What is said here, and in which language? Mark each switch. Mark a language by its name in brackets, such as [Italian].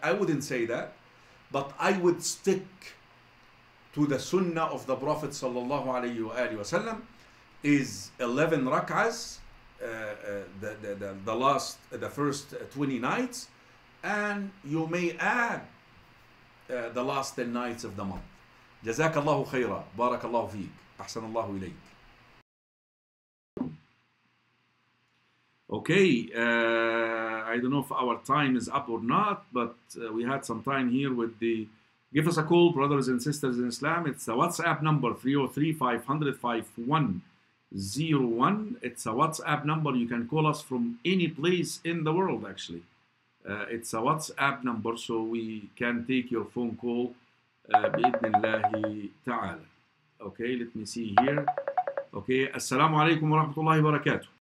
[English] I wouldn't say that, but I would stick to the sunnah of the Prophet sallallahu alayhi wa sallam, is 11 rak'ahs, the first 20 nights, and you may add the last 10 nights of the month. [Arabic] جزاك الله خيرا بارك الله فيك أحسن الله إليك. [English] Okay, I don't know if our time is up or not, but we had some time here with the. Give us a call, brothers and sisters in Islam. It's a WhatsApp number 303-500-5101. It's a WhatsApp number. You can call us from any place in the world. Actually, it's a WhatsApp number, so we can take your phone call. [Arabic] بإذن الله تعالى. [English] Okay, let me see here. Okay, [Arabic] السلام عليكم ورحمة الله وبركاته.